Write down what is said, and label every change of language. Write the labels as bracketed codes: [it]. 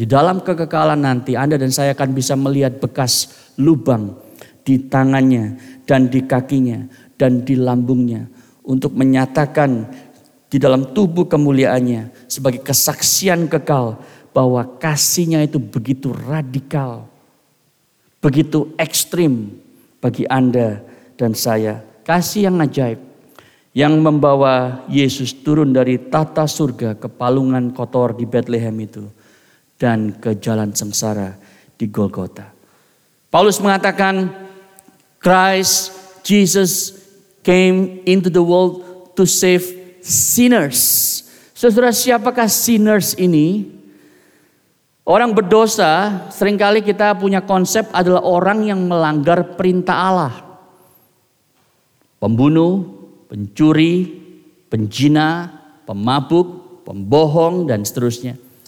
[id] Di dalam kekekalan nanti Anda dan saya akan bisa melihat bekas lubang di tangannya dan di kakinya dan di lambungnya untuk menyatakan di dalam tubuh kemuliaannya sebagai kesaksian kekal bahwa kasihnya itu begitu radikal, begitu ekstrim bagi Anda dan saya. Kasih yang ajaib yang membawa Yesus turun dari tata surga ke palungan kotor di Bethlehem itu dan ke jalan sengsara di Golgota. Paulus mengatakan, [en] Christ Jesus came into the world to save sinners. [id] Saudara, siapakah sinners ini? Orang berdosa, seringkali kita punya konsep adalah orang yang melanggar perintah Allah. Pembunuh, pencuri, penjina, pemabuk, pembohong, dan seterusnya.